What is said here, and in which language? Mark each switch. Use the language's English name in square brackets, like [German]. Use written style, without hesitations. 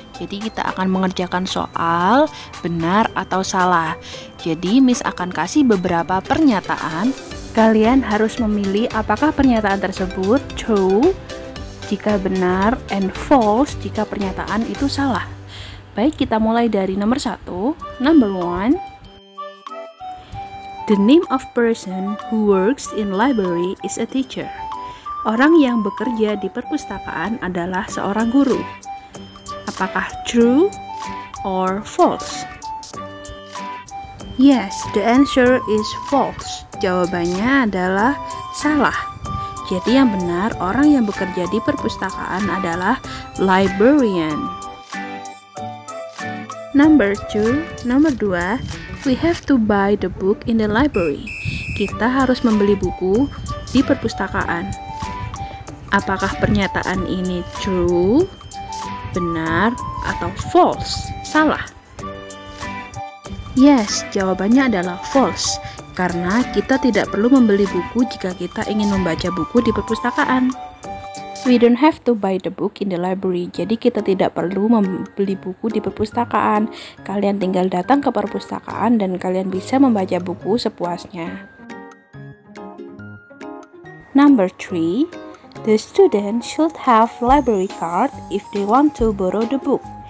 [Indonesian] Jadi kita akan mengerjakan soal benar atau salah. Jadi Miss akan kasih beberapa pernyataan. Kalian harus memilih apakah pernyataan tersebut true jika benar and false jika pernyataan itu salah. Baik, kita mulai dari nomor 1. [English] Number 1. The name of person who works in library is a teacher. [Indonesian] Orang yang bekerja di perpustakaan adalah seorang guru. Apakah [English] true or false? Yes, the answer is false. [Indonesian] Jawabannya adalah salah. Jadi yang benar, orang yang bekerja di perpustakaan adalah librarian. [English] Number 2, we have to buy the book in the library. [Indonesian] Kita harus membeli buku di perpustakaan. Apakah pernyataan ini true, benar, atau false? Salah. Yes, jawabannya adalah false. Karena kita tidak perlu membeli buku jika kita ingin membaca buku di perpustakaan. [English] We don't have to buy the book in the library. [Indonesian] Jadi kita tidak perlu membeli buku di perpustakaan. Kalian tinggal datang ke perpustakaan dan kalian bisa membaca buku sepuasnya. [English] Number 3. The student should have library card if they want to borrow the book.